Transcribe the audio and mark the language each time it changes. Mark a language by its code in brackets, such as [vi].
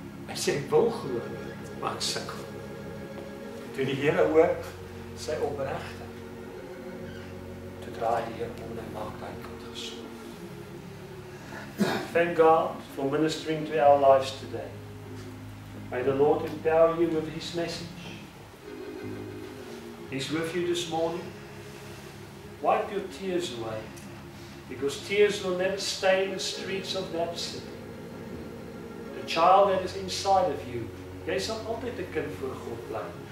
[af] Hy sê, ek wil glo, maar ek sukkel. Toe die Here ook, sy opregte, toe draai die Here om en maak die kind gesond. [en] Thank God for ministering to our lives today. May the Lord empower you with his message. He's with you this morning. Wipe your tears away, because tears will never stay in the streets of that city. The child that is inside of you [af] Jy sal altyd 'n kind voor God bly.